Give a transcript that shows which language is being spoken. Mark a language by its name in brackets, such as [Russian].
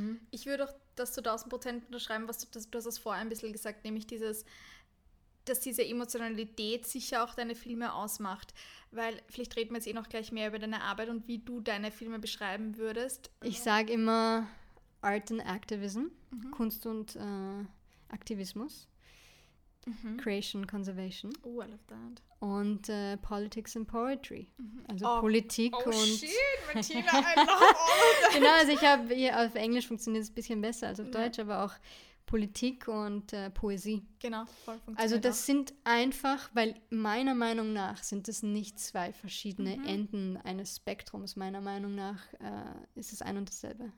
[German] Ich würde auch das zu 1000% unterschreiben, was du hast das vorher ein bisschen gesagt, nämlich dass diese Emotionalität sicher auch deine Filme ausmacht. Weil vielleicht reden wir jetzt eh noch gleich mehr über deine Arbeit und wie du deine Filme beschreiben würdest. Ich sage immer [English] Art and Activism, [German] Kunst und Aktivismus, [English] Creation, Conservation. Oh, I love that. [German] Und [English] Politics and Poetry, [German] also Politik und... [English] Oh shit, Martina, I love all of that. [German] Genau, also ich habe, auf Englisch funktioniert es ein bisschen besser als auf Deutsch, aber auch... Politik und Poesie. Genau, voll funktioniert. Also das sind einfach, weil meiner Meinung nach sind es nicht zwei verschiedene Enden eines Spektrums. Meiner Meinung nach ist es ein und dasselbe.